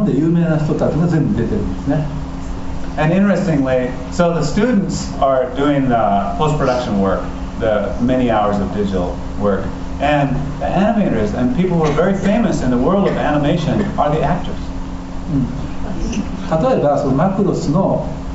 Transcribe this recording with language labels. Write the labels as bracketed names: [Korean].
[Japanese] いや、今、大丈夫。あの、いや、大丈夫。あ、いや、それで出演者はですね、そのキャラクターはやっぱりそのアニメ業界すごい日本で有名な人たちが全部出てるんですね。And [English] interestingly, so the students are doing the post-production work, the many hours of digital work, and the animators and people who are very famous in the world of animation are the actors. [Japanese] 例えば、そのマクロスの